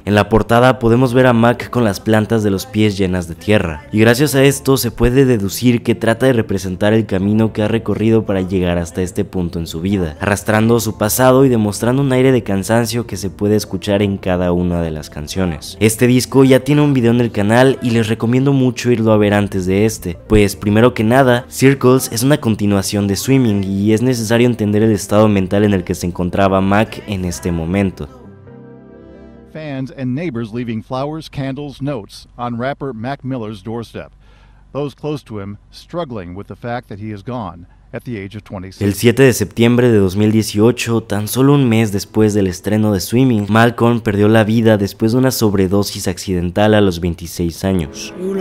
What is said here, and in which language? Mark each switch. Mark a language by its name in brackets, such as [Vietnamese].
[Spanish] En la portada podemos ver a Mac con las plantas de los pies llenas de tierra, y gracias a esto se puede deducir que trata de representar el camino que ha recorrido para llegar hasta este punto en su vida, arrastrando su pasado y demostrando un aire de cansancio que se puede escuchar en cada una de las canciones. Este disco ya tiene un video en el canal y les recomiendo mucho irlo a ver antes de este, pues primero que nada, Circles es una continuación de Swimming y es necesario entender el estado mental en el que se encontraba Mac en este momento. [English] Fans and neighbors leaving flowers, candles, notes on rapper Mac Miller's doorstep. Those close to him struggling with the fact that he is gone. [Spanish] El 7 de septiembre de 2018, tan solo un mes después del estreno de Swimming, Malcolm perdió la vida después de una sobredosis accidental a los 26 años.